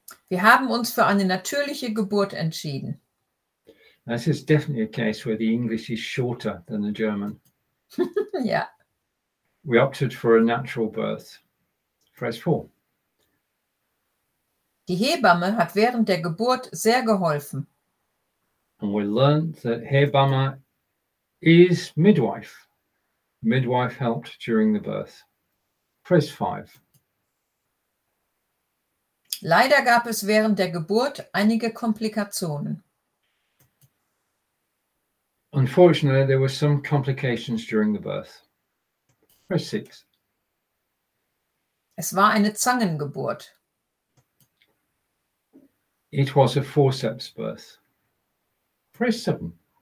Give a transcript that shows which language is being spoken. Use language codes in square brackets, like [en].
[de] Wir haben uns für eine natürliche Geburt entschieden. [en] This is definitely a case where the English is shorter than the German. Yeah. We opted for a natural birth. Phrase 4. [de] Die Hebamme hat während der Geburt sehr geholfen. [en] And we learned that Hebamme is midwife. Midwife helped during the birth. Phrase 5. [de] Leider gab es während der Geburt einige Komplikationen. [en] Unfortunately, there were some complications during the birth. Phrase 6. [de] Es war eine Zangengeburt. [en] It was a forceps birth. Phrase 7.